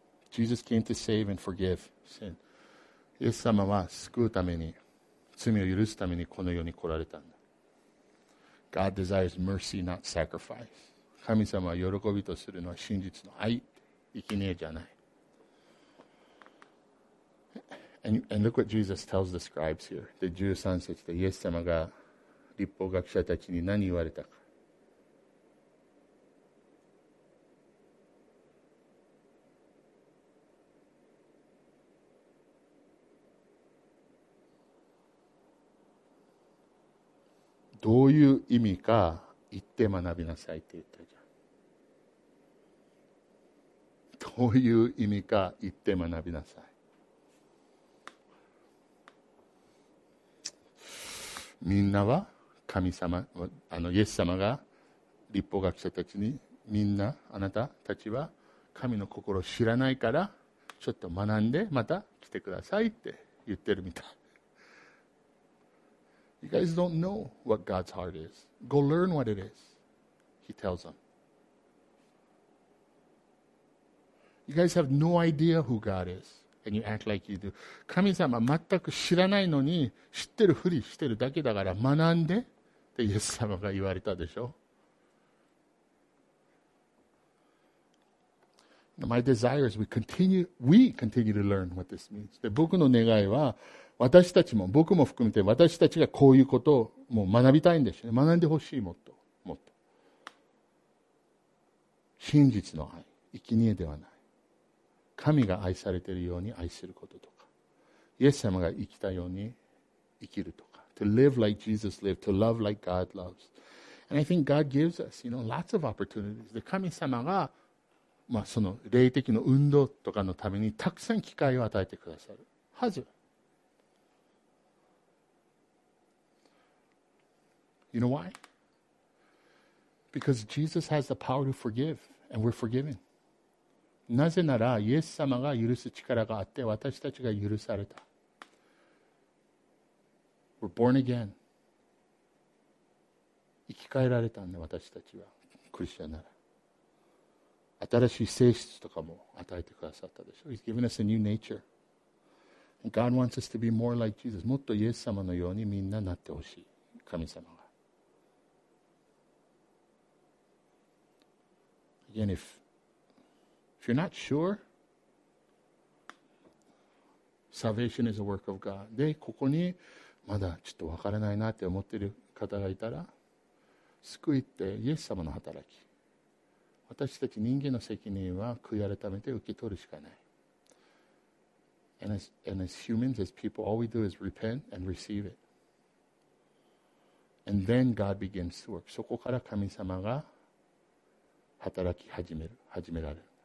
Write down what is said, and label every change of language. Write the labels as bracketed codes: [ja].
[en] Jesus came to save and forgive sin. [ja] イエス様は救うために、罪を許すためにこの世に来られたんだ。 [en] God desires mercy, not sacrifice. [ja] 神様は喜びとするのは真実の愛、生贄じゃない。 [en] And look what Jesus tells the scribes here. [ja] で、13節でイエス様が立法学者たちに何言われたか。どういう意味か言って学びなさいって言ったじゃん。どういう意味か言って学びなさい。みんなは神様、イエス様が立法学者たちに、みんな、あなたたちは神の心を知らないから、ちょっと学んでまた来てくださいって言ってるみたい。 [en] You guys don't know what God's heart is. Go learn what it is, he tells them. You guys have no idea who God is, and you act like you do. [ja] 神様全く知らないのに知ってるふりしてるだけだから学んでってイエス様が言われたでしょ。 [en] My desire is we continue to learn what this means. [ja] で、僕の願いは私たちも、僕も含めて私たちがこういうことをもう学びたいんですよね。学んでほしい、もっと、もっと。真実の愛、生贄ではない。神が愛されているように愛することとか、イエス様が生きたように生きるとか。 [en] To live like Jesus lived, to love like God loves. And I think God gives us, you know, lots of opportunities. [ja] で、神様が、まあ、その霊的の運動とかのためにたくさん機会を与えてくださるはず。 [en] You know why? Because Jesus has the power to forgive, and we're forgiven. [ja] なぜなら、イエス様が許す力があって、私たちが許された。 [en] We're born again. [ja] 生き返られたんで、私たちは、クリスチャンなら。新しい性質とかも与えてくださったでしょ。 [en] He's given us a new nature. And God wants us to be more like Jesus. [ja] もっとイエス様のようにみんななってほしい、神様が。 [en] Again, if you're not sure, salvation is a work of God. [ja] で、ここにまだちょっとわからないなって思ってる方がいたら、救いってイエス様の働き。私たち人間の責任は悔い改めて受け取るしかない。 [en] And as humans, as people, all we do is repent and receive it. And then God begins to work. [ja] そこから神様が働き始められる。